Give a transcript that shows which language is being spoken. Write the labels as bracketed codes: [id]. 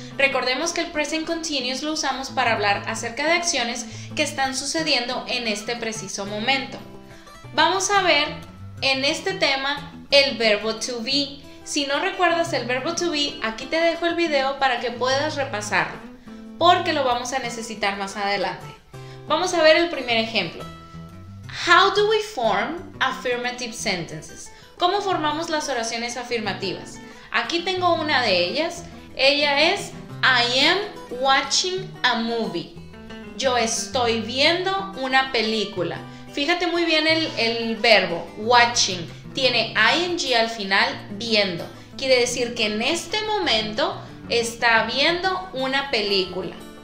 [es] Recordemos que el present continuous lo usamos para hablar acerca de acciones que están sucediendo en este preciso momento. Vamos a ver en este tema el verbo to be. Si no recuerdas el verbo to be, aquí te dejo el video para que puedas repasarlo, porque lo vamos a necesitar más adelante. Vamos a ver el primer ejemplo. [en] How do we form affirmative sentences? [es] ¿Cómo formamos las oraciones afirmativas? Aquí tengo una de ellas. Ella es, [en] I am watching a movie. [es] Yo estoy viendo una película. Fíjate muy bien el verbo, watching. Tiene ing al final, viendo. Quiere decir que en este momento está viendo una película.